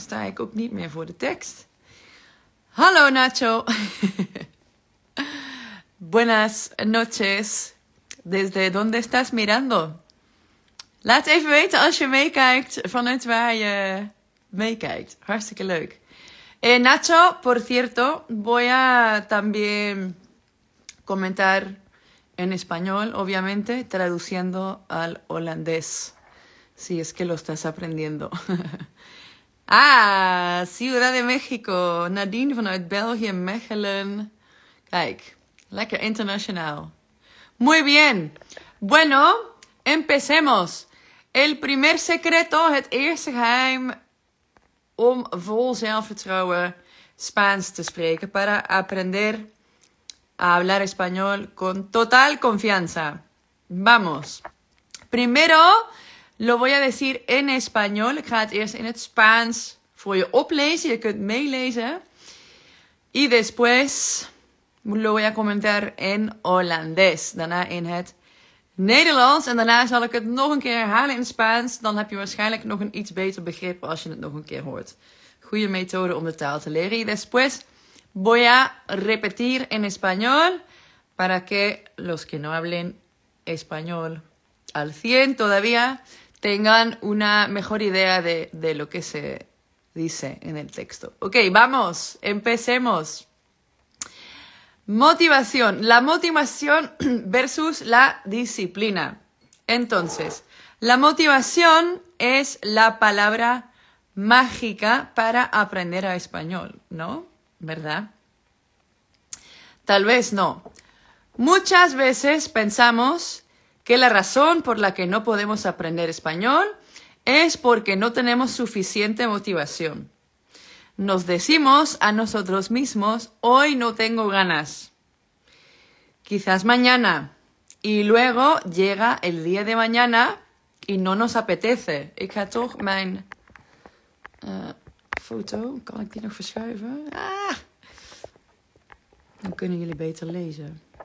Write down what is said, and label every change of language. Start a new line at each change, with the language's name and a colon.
Dutch: Sta ik ook niet meer voor de tekst.
Spanish: Hallo Nacho. Buenas noches. Desde donde estás mirando?
Dutch: Laat even weten als je meekijkt vanuit waar je meekijkt. Hartstikke leuk.
Spanish: Nacho, por cierto, voy a también comentar en español, obviamente, traduciendo al holandés. Si es que lo estás aprendiendo. Ah, Ciudad de México.
Dutch: Nadine vanuit België, Mechelen. Kijk, lekker internacional.
Spanish: Muy bien. Bueno, empecemos. El primer secreto,
Dutch: het eerste geheim om vol zelfvertrouwen Spaans te spreken.
Spanish: Para aprender a hablar español con total confianza. Vamos. Primero lo voy a decir en español.
Dutch: Ik ga het eerst in het Spaans voor je oplezen. Je kunt meelezen.
Spanish: Y después lo voy a comentar en holandés.
Dutch: Daarna in het Nederlands. En daarna zal ik het nog een keer herhalen in het Spaans. Dan heb je waarschijnlijk nog een iets beter begrip als je het nog een keer hoort. Goede methode om de taal te leren.
Spanish: Y después voy a repetir en español para que los que no hablen español al 100 todavía tengan una mejor idea de lo que se dice en el texto. Ok, vamos, empecemos. Motivación, la motivación versus la disciplina. Entonces, la motivación es la palabra mágica para aprender a español, ¿no? ¿Verdad? Tal vez no. Muchas veces pensamos que la razón por la que no podemos aprender español es porque no tenemos suficiente motivación. Nos decimos a nosotros mismos, hoy no tengo ganas. Quizás mañana. Y luego llega el día de mañana y no nos apetece.
Dutch: Ik ga toch mijn foto, kan ik die nog verschuiven? Dan kunnen jullie beter lezen.